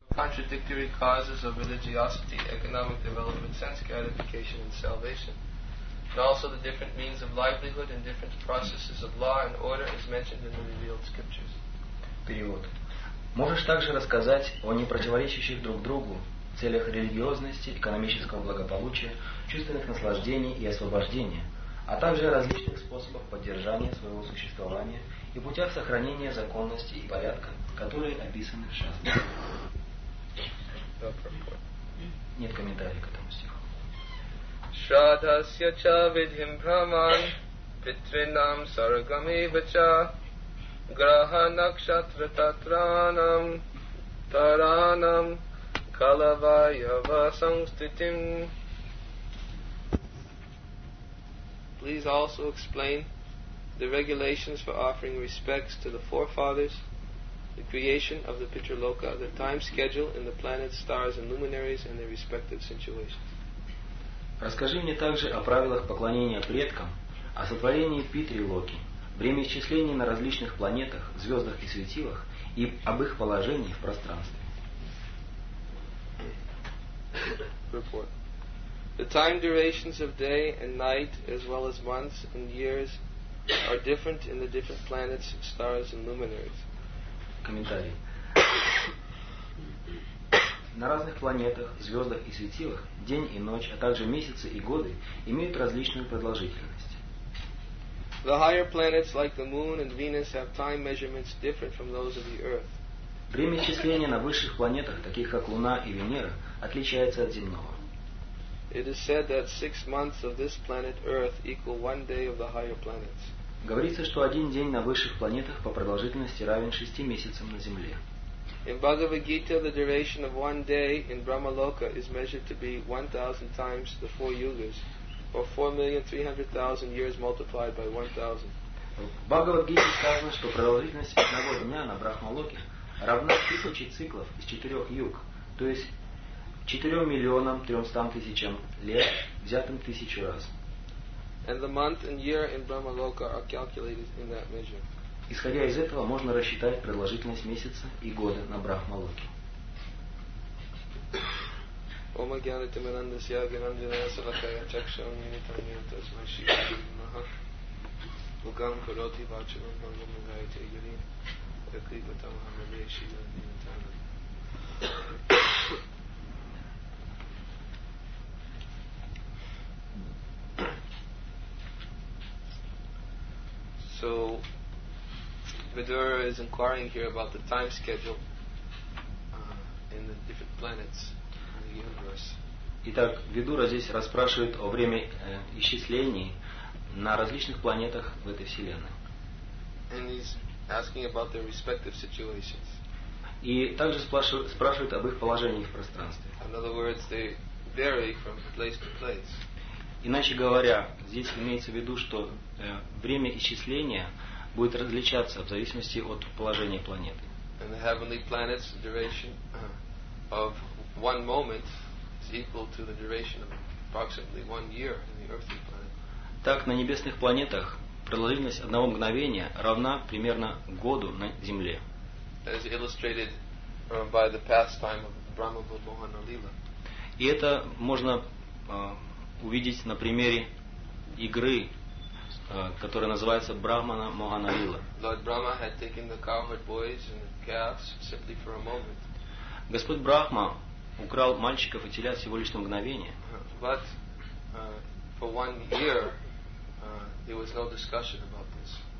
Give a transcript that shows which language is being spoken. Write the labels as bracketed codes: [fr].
[en] contradictory causes of religiosity, economic development, sense gratification, and salvation. And also the different means of livelihood and different processes of law and order as mentioned in the revealed scriptures. [ru] Перевод. Можешь также рассказать о непротиворечащих друг другу целях религиозности, экономического благополучия, чувственных наслаждений и освобождения, а также о различных способах поддержания своего существования и путях сохранения законности и порядка, которые описаны в шастре. Нет комментариев к этому стиху. [sa] Шрадасья ча видхим праман Питринам саргами вача Граха накшатра татранам Таранам Калавайава самститим. [en] Please also explain the regulations for offering respects to the forefathers, the creation of the Pitraloka, the time schedule in the planets, stars, and luminaries, and their respective situations. [ru] Расскажи мне также о правилах поклонения предкам, о сотворении Питри-Локи, времяисчислении на различных планетах, звездах и светилах, и об их положении в пространстве. [en] Report. The time durations of day and night, as well as months and years, are different in the different planets, stars, and luminaries. [ru] Комментарий. На разных планетах, звездах и светилах день и ночь, а также месяцы и годы имеют различную продолжительность. [en] The higher planets, like the Moon and Venus, have time measurements different from those of the Earth. [ru] Время исчисления на высших планетах, таких как Луна и Венера, отличается от земного. [en] It is said that 6 months of this planet Earth equal 1 day of the higher planets. [ru] Говорится, что один день на высших планетах по продолжительности равен 6 месяцам на Земле. [en] In Bhagavad Gita, the duration of 1 day in Brahmaloka is measured to be 1,000 times the 4 yugas, or 4,300,000 years multiplied by 1,000. [ru] В Бхагавад-гите сказано, что продолжительность одного дня на Брахмалоке равна 1000 циклов из 4 юг, то есть 4,300,000 лет, взятым 1000 раз. [en] And the month and year in Brahmaloka are calculated in that measure. [ru] Исходя из этого, можно рассчитать продолжительность месяца и года на Брахмалоке. [sa] Ом агьяна тимирандасья агьянанджаная салакая чакшамьяни таньянта смайшитамаха Лукам кароти вачамам бангамагайте юри Якрипатамахамадешитамьянтана. [en] So, Vidura is inquiring here about the time schedule in the different planets in the universe. [ru] Итак, Видура здесь расспрашивает о время исчислений на различных планетах в этой вселенной. [en] And he's asking about their respective situations. [ru] И также спрашивает об их положении в пространстве. [en] In other words, they vary from place to place. [ru] Иначе говоря, здесь имеется в виду, что время исчисления будет различаться в зависимости от положения планеты. [en] And the heavenly planets, the duration of one moment is equal to the duration of approximately 1 year in the earthly planet. [ru] Так, на небесных планетах продолжительность одного мгновения равна примерно году на Земле. [en] As illustrated by the pastime of Brahma Vibhohana Lila. [ru] И это можно увидеть на примере игры, которая называется Брахмана Могана Лила. [en] Lord Brahma had taken the cowherd boys and calves simply for a moment. [ru] Господь Брахма украл мальчиков и телят всего лишь на мгновение. [en] But for 1 year there was no discussion about this.